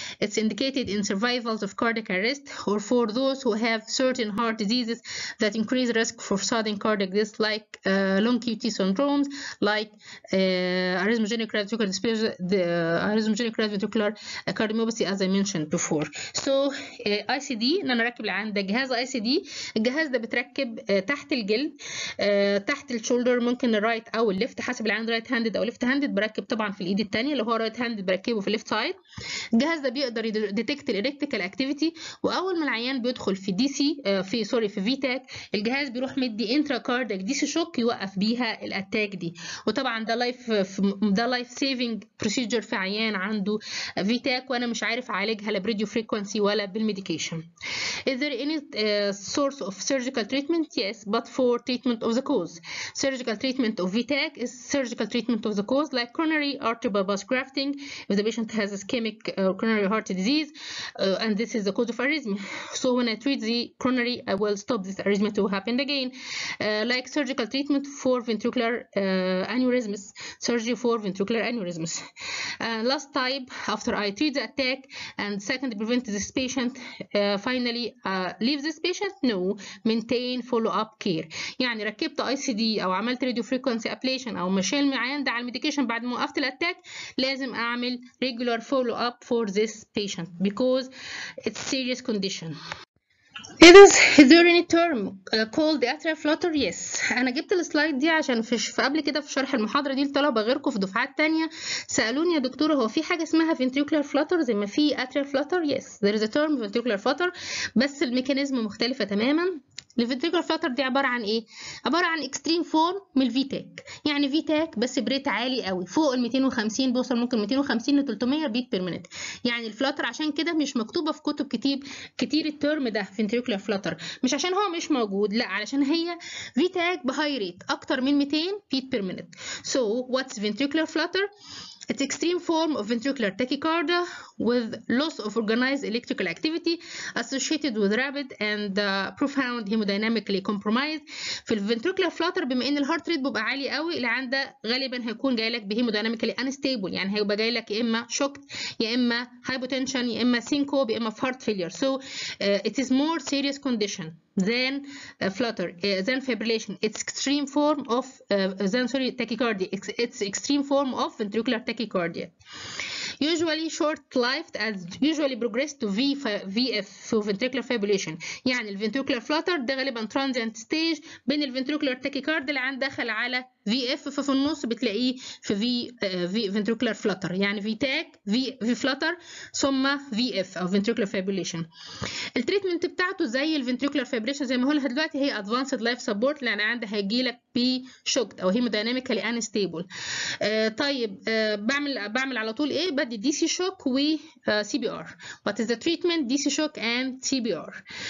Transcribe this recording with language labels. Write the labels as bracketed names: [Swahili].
[English] It's indicated in survivals of cardiac arrest or for those who have certain heart diseases that increase risk for sudden cardiac death, like long QT syndromes, like arrhythmogenic right ventricular dysplasia, the arrhythmogenic right ventricular cardiomyopathy as I mentioned before. [Arabic] So ICD ان انا راكب العيان ده جهاز ICD. الجهاز ده بتركب تحت الجلد تحت الشولدر، ممكن الرايت او الليفت حسب العيان رايت هاندد او ليفت هاندد. بركب طبعا في الايد الثانيه اللي هو رايت هاندد، بركبه في الليفت سايد. الجهاز ده بيقدر يديتكت الالكتريكال اكتيفيتي، واول ما العيان بيدخل في دي سي في سوري في VTAC الجهاز بيروح مدي انترا كاردك دي سي شوك يوقف بيها الاتاك دي. وطبعا ده لايف سيفنج بروسيجر في عيان عنده VTAC وانا مش عارف اعالجها لا بريديو فريكوانسي ولا بالميديكيشن. [English] Is there any source of surgical treatment? Yes, but for treatment of the cause. Surgical treatment of VTAC is surgical treatment of the cause, like coronary artery bypass grafting if the patient has ischemic coronary heart disease and this is the cause of arrhythmia. So when I treat the coronary, I will stop this arrhythmia to happen again. Like surgical treatment for ventricular aneurysms, surgery for ventricular aneurysms. Last time after I treat the attack and second prevent this patient finally leave this patient, no, maintain follow-up care. [Arabic] يعني ركبت ICD او عملت radio frequency ablation او مشيل معين ده على medication بعد ما وقفت الاتاك، لازم اعمل [English] regular follow-up for this patient because it's serious condition. Is there any term called the atrial flutter? Yes. [Arabic] أنا جبت السلايد دي عشان في قبل كده في شرح المحاضرة دي لطلبة غيركم في دفعات تانية سألوني يا دكتورة هو في حاجة اسمها ventricular flutter زي ما في atrial flutter؟ Yes. [English] There is a term ventricular flutter [Arabic] بس الميكانيزم مختلفة تماما. الفنتريكولار فلاتر دي عبارة عن ايه؟ عبارة عن اكستريم فورم من الفي تاك، يعني في تاك بس بريت عالي قوي فوق ال 250، بوصل ممكن 250 ل 300 بيت بير مينت. يعني الفلاتر عشان كده مش مكتوبة في كتب كتير الترم ده فنتريكولار فلاتر، مش عشان هو مش موجود، لا علشان هي في تاك بهاي ريت اكتر من 200 بيت بير مينت. [English] So what's ventricular flutter? It's extreme form of ventricular tachycardia with loss of organized electrical activity associated with rapid and profound hemodynamically compromised. [Arabic] في الventricular flutter بما ان الهارت ريت بيبقى عالي قوي اللي عنده غالبا هيكون جاي لك بهيمودايناميكالي انستابل، يعني هيبقى جاي لك يا اما شوكت يا اما هايبوتنشن يا اما سينكوب يا اما هارت فيلير. [English] So it is more serious condition than flutter, than fibrillation. It's extreme form of tachycardia. It's extreme form of ventricular tachycardia. Usually short-lived as usually progress to VF, so ventricular fibrillation. [Arabic] يعني ال ventricular flutter ده غالبا transient stage بين ال ventricular tachycardia اللي عند دخل على VF، ففي النص بتلاقيه في ventricular flutter. يعني VTAC V flutter ثم VF أو ventricular fibrillation. التريتمنت بتاعته زي ال ventricular fibrillation زي ما هقولها دلوقتي، هي advanced life support لأن عند هيجيلك بشوكت أو hemodynamically unstable. طيب بعمل على طول إيه؟ بدي دي سي شوك و سي بي ار. [English] What is the treatment? D C shock and C P R.